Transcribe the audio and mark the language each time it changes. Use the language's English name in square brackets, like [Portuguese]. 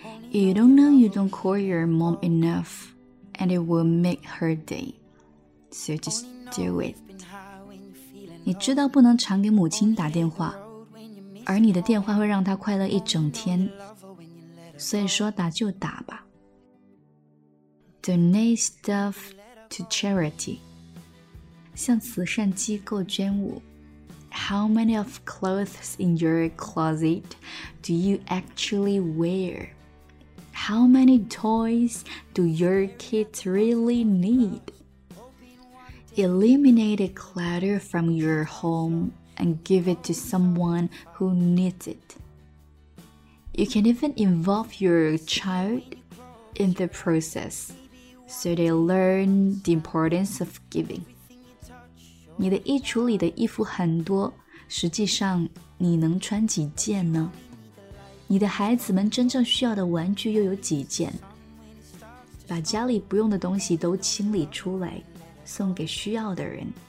[English] You don't know you don't call your mom enough, and it will make her day. So just do it. [Chinese] 你知道不能常给母亲打电话，而你的电话会让她快乐一整天。所以说打就打吧。 [English] Donate stuff to charity. [Chinese] 向慈善机构捐物。 [English] How many of clothes in your closet do you actually wear? How many toys do your kids really need? Eliminate a clutter from your home and give it to someone who needs it. You can even involve your child in the process so they learn the importance of giving. [Chinese] 你的衣橱里的衣服很多，实际上你能穿几件呢？你的孩子们真正需要的玩具又有几件？把家里不用的东西都清理出来，送给需要的人。